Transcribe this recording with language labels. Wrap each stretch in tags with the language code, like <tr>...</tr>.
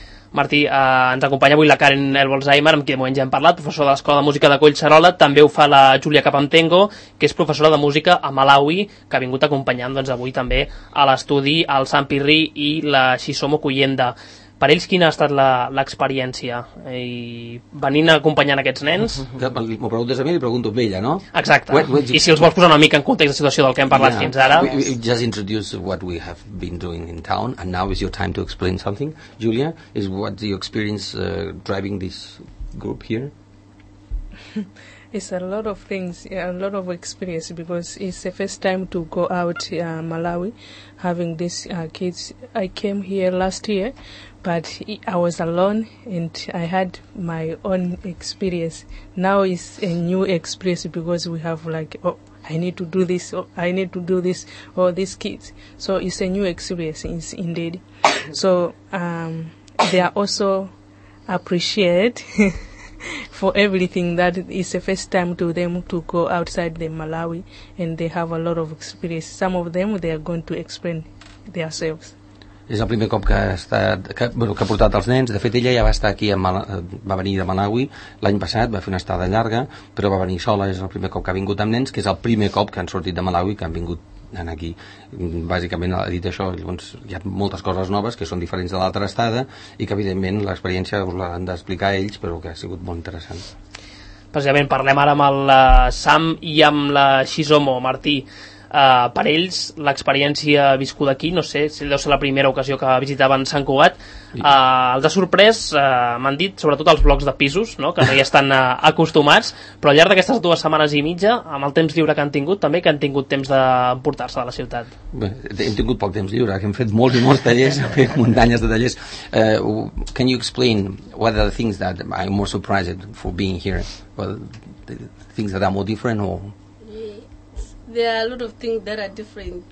<ca>Martí, ens acompanya avui la Karin Elbolzheimer, amb qui de moment ja hem parlat, professora de l'Escola de Música de Collserola, també ho fa la Júlia Capamtengo, que és professora de música a Malawi, que ha vingut acompanyant doncs, avui també a l'estudi el Sam Pirri i la Shisomo Kuyenda. Per ells, quina ha estat l'experiència? I venint acompanyant aquests nens... M'ho preguntes a mi, li pregunto a ella, no? Exacte. I si els vols posar una mica en context de la situació del que hem parlat fins ara...</ca> <en>Just introduce what we have been doing in town, and now is your time to explain something, Julia. Is what your experience driving this group here? It's a lot of things, a lot of experience, because it's the first time to go out Malawi, having these kids. I came here last year, but I was alone and I had my own experience. Now it's a new experience because we have like I need to do this for these kids. So it's a new experience indeed. So they are also appreciate for everything, that it's the first time to them to go outside the Malawi, and they have a lot of experience. Some of them, they are going to explain themselves.</en> <ca>És el primer cop que ha, estat, que, bueno, que ha portat els nens. De fet, ella ja va estar aquí, va venir de Malawi l'any passat, va fer una estada llarga, però va venir sola. És el primer cop que ha vingut amb nens, que és el primer cop que han sortit de Malawi, que han vingut aquí. Bàsicament ha dit això. Llavors, hi ha moltes coses noves que són diferents de l'altra estada i que, evidentment, l'experiència us l'han d'explicar ells, però que ha sigut molt interessant. Precisament, parlem ara amb el Sam i amb la Shizomo, Martí. Per ells, l'experiència viscuda aquí, no sé si deu ser la primera ocasió que visitaven Sant Cugat, els ha sorprès, m'han dit, sobretot els blocs de pisos, no?, que no hi estan acostumats, però al llarg d'aquestes dues setmanes i mitja, amb el temps lliure que han tingut, també que han tingut temps d'emportar-se de la ciutat. Bé, hem tingut poc temps lliure, que hem fet molts i molts tallers, muntanyes de tallers.</ca> <en>Can you explain what are the things that I'm more surprised for being here? Well, the things that are more different or... There are a lot of things that are different.</en>